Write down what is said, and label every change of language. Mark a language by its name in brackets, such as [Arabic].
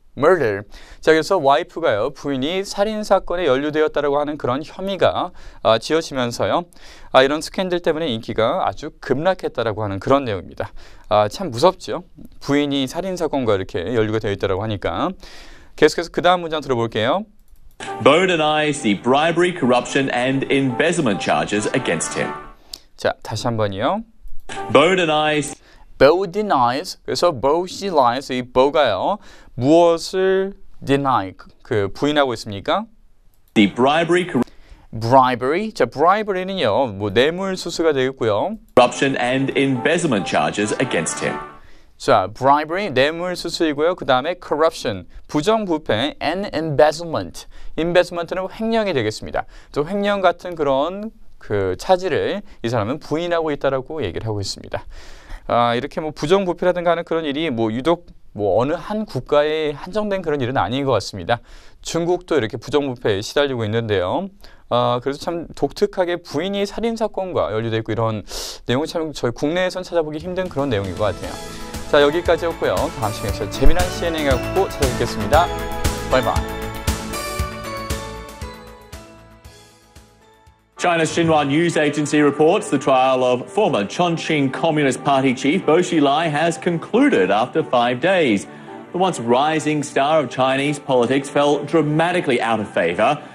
[Korean] Murder. 자, 그래서 와이프가요. 부인이 살인사건에 연루되었다라고 하는 그런 혐의가 지어지면서요. 이런 스캔들 때문에 인기가 아주 급락했다라고 하는 그런 내용입니다. 참 무섭죠. 부인이 살인사건과 이렇게 연루가 되어 있다고 하니까. 계속해서 그 다음 문장 들어볼게요. [English] Bo denies the bribery, corruption and embezzlement charges against him. [Korean] 자, 다시 한 번이요. [English] Bo denies... [Korean] Bo denies, 그래서 Bo she lies, 이 Bo가요. 무엇을 deny, 그 부인하고 있습니까? [English] The bribery... [Korean] Bribery, 자, bribery는요, 뭐 뇌물수수가 되겠고요. [English] Corruption and embezzlement charges against him. [Korean] 자, bribery, 뇌물수수이고요. 그 다음에 corruption, 부정부패, and embezzlement. Embezzlement는 횡령이 되겠습니다. 또 횡령 같은 그런 그 차지를 이 사람은 부인하고 있다라고 얘기를 하고 있습니다. 아, 이렇게 뭐 부정부패라든가 하는 그런 일이 뭐 유독 뭐 어느 한 국가에 한정된 그런 일은 아닌 것 같습니다. 중국도 이렇게 부정부패에 시달리고 있는데요. 그래서 참 독특하게 부인이 살인사건과 연루되어 있고 이런 내용을 참 저희 국내에선 찾아보기 힘든 그런 내용인 것 같아요. 자, 여기까지였고요. 다음 시간에 저 재미난 CNN 갖고 찾아뵙겠습니다. 바이바이. [English] China's Xinhua News Agency reports the trial of former Chongqing Communist Party chief Bo Xilai has concluded after 5 days. The once rising star of Chinese politics fell dramatically out of favor